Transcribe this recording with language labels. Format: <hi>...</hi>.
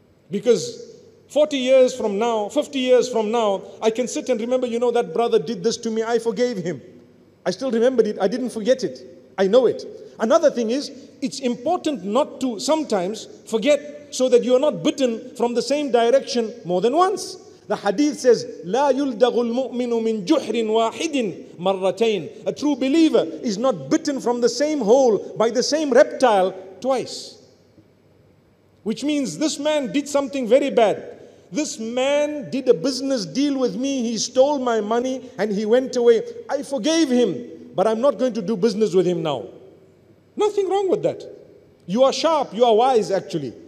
<en>Because 40 years from now, 50 years from now, I can sit and remember, you know, that brother did this to me, I forgave him. I still remembered it, I didn't forget it, I know it. Another thing is, it's important not to sometimes forget so that you are not bitten from the same direction more than once. The hadith says,</en> <ar>لا يلدغ المؤمن من جحر واحد مرتين.</ar> <en>A true believer is not bitten from the same hole by the same reptile twice. Which means this man did something very bad. This man did a business deal with me. He stole my money and he went away. I forgave him, but I'm not going to do business with him now. Nothing wrong with that. You are sharp. You are wise, actually.</en>